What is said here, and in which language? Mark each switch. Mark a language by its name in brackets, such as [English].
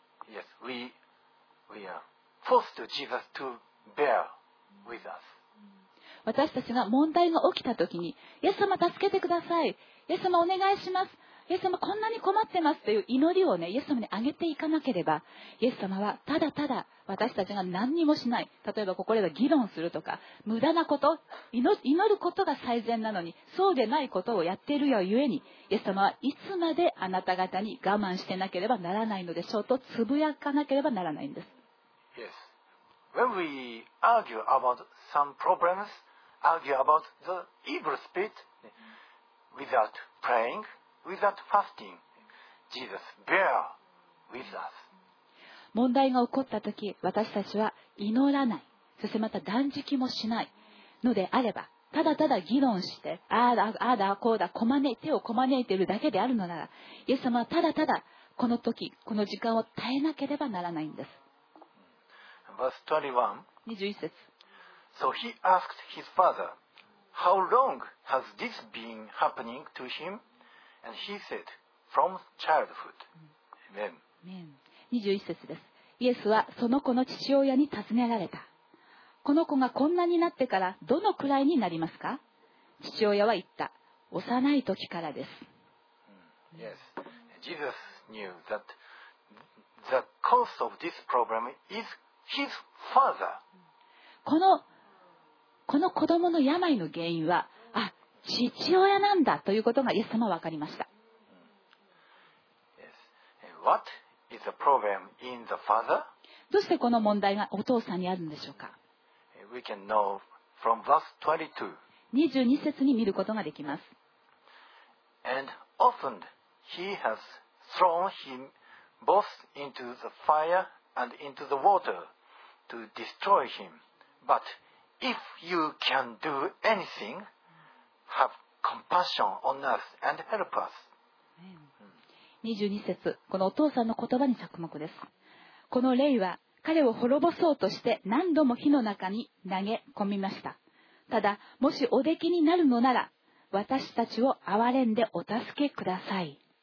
[English] Yes, we are forced to Jesus to bear with us. [Japanese] 私たちが問題が起きたときに、イエス様助けてください。イエス様お願いします。イエス様こんなに困ってますという祈りをね、イエス様にあげていかなければ、イエス様はただただ私たちが何にもしない、例えばここでは議論するとか、無駄なこと、祈ることが最善なのに、そうでないことをやっているよゆえに、イエス様はいつまであなた方に我慢してなければならないのでしょうとつぶやかなければならないんです。 [English] Yes. When we argue about some problems, argue about the evil spirit, without praying,Without fasting, Jesus, bear with us. [Japanese] 問題が起こったとき、私たちは祈らない、そしてまた断食もしないのであれば、ただただ議論して、ああだこうだ、こまねいてをこまねいているだけであるのなら、イエス様はただただこのとき、この時間を耐えなければならないんです。 [English] Verse [Japanese] 21. 21節。 [English] So he asked his father, How long has this been happening to him? And he said, from childhood. [Japanese] Amen. 21節です。イエスはその子の父親に尋ねられた。この子がこんなになってからどのくらいになりますか？父親は言った。幼い時からです。 [English] Yes. Jesus knew that the cause of this problem is his father. [Japanese] この子供の病の原因は、父親なんだということがイエス様は分かりました。 [English] Yes. What is the problem in the father? [Japanese] どうしてこの問題がお父さんにあるんでしょうか。 [English] We can know from verse [Japanese] 22節に見ることができます。 [English] And often he has thrown him both into the fire and into the water to destroy him. But if you can do anything,Have compassion on us and help us. [Japanese] 22節、このお父さんの言葉に着目です。この霊は彼を滅ぼそうとして何度も火の中に投げ込みました。ただ、もしおできになるのなら、私たちを憐れんでお助けください。